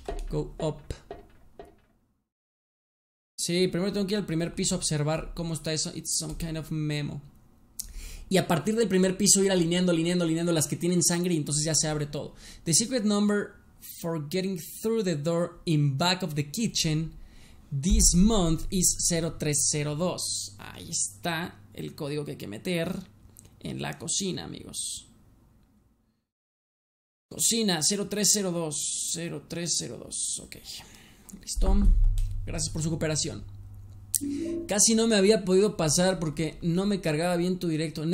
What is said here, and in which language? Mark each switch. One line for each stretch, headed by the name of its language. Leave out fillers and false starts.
English: Go up.
Spanish: Sí, primero tengo que ir al primer piso a observar cómo está eso.
English: It's some kind of memo.
Spanish: Y a partir del primer piso ir alineando, alineando, alineando las que tienen sangre y entonces ya se abre todo.
English: The secret number for getting through the door in back of the kitchen this month is 0302.
Spanish: Ahí está el código que hay que meter en la cocina, amigos. Cocina 0302, 0302, ok. Listo, gracias por su cooperación. Casi no me había podido pasar porque no me cargaba bien tu directo.